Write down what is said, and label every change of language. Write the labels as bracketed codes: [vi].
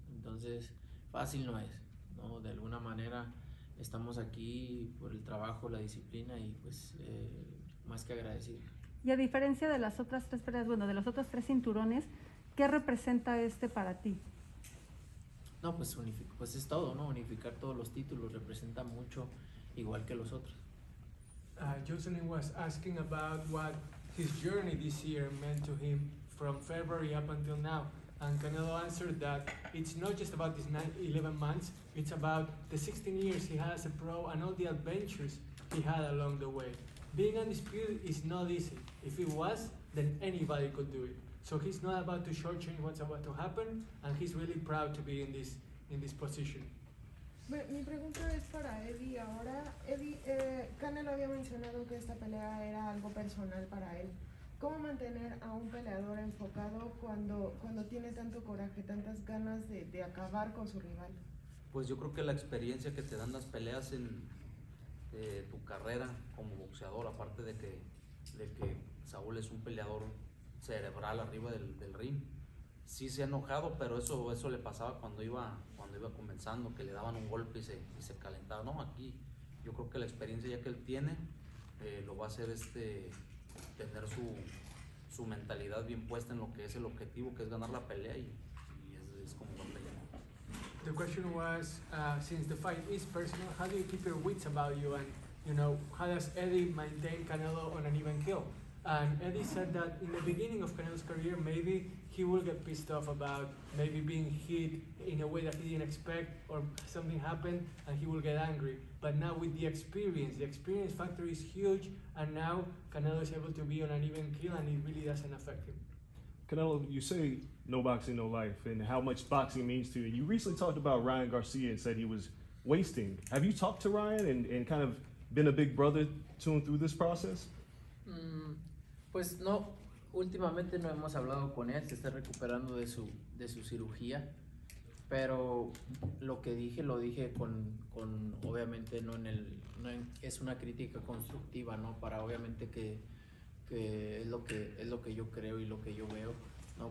[es] Entonces, fácil no es, ¿no? De alguna manera estamos aquí por el trabajo, la disciplina y pues más que agradecido. Y a diferencia de las otras tres peleas, bueno, de los otros tres cinturones, ¿qué representa este para ti? No, pues pues es todo, ¿no? Unificar todos los títulos representa mucho, igual que los otros. [en] Jocelyn was asking about what his journey this year meant to him from February up until now. And Canelo answered that it's not just about these 11 months, it's about the 16 years he had as a pro and all the adventures he had along the way. Being undisputed is not easy. If it was, then anybody could do it. So he's not about to shortchange what's about to happen, and he's really proud to be in this position. [es] Mi pregunta es para Eddie ahora. Eddie, Canelo había mencionado que esta pelea era algo personal para él. ¿Cómo mantener a un peleador enfocado cuando tiene tanto coraje, tantas ganas de acabar con su rival? Pues yo creo que la experiencia que te dan las peleas en tu carrera como boxeador, aparte de que Saúl es un peleador cerebral arriba del ring. Sí se ha enojado, pero eso le pasaba cuando iba comenzando, que le daban un golpe y se calentaba. No, aquí yo creo que la experiencia ya que él tiene lo va a hacer tener su mentalidad bien puesta en lo que es el objetivo, que es ganar la pelea y es como una pelea. [en] The question was, since the fight is personal, how do you keep your wits about you and you know, how does Eddie maintain Canelo on an even keel? And Eddie said that in the beginning of Canelo's career, maybe he will get pissed off about maybe being hit in a way that he didn't expect or something happened and he will get angry. But now with the experience factor is huge, and now Canelo is able to be on an even keel and it really doesn't affect him. Canelo, you say no boxing, no life, and how much boxing means to you. You recently talked about Ryan Garcia and said he was wasting. Have you talked to Ryan and kind of been a big brother to him through this process? [es] Pues no, últimamente no hemos hablado con él, se está recuperando de su cirugía, pero lo que dije, lo dije con obviamente no en el, no en, es una crítica constructiva, ¿no? Para obviamente que es lo que yo creo y lo que yo veo, ¿no?